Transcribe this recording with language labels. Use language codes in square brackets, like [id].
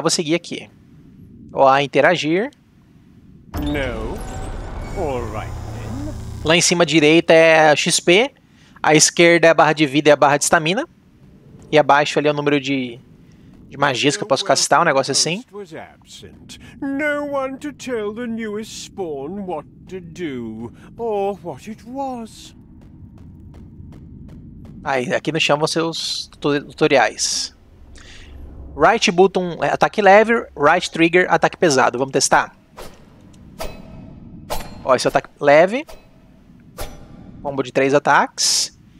[pt] Vou seguir aqui. Ó, interagir. Não. [en] All right, then. [pt] Lá em cima direita é XP, à esquerda é a barra de vida e a barra de estamina. E abaixo ali é o número de magias que eu posso castar, um negócio assim. [en] No one to tell the newest spawn what to do or what it was. [pt] Aí, aqui no chão vão ser os tutoriais. Right button, ataque leve. Right trigger, ataque pesado. Vamos testar. Ó, esse é o ataque leve. Combo de 3 ataques.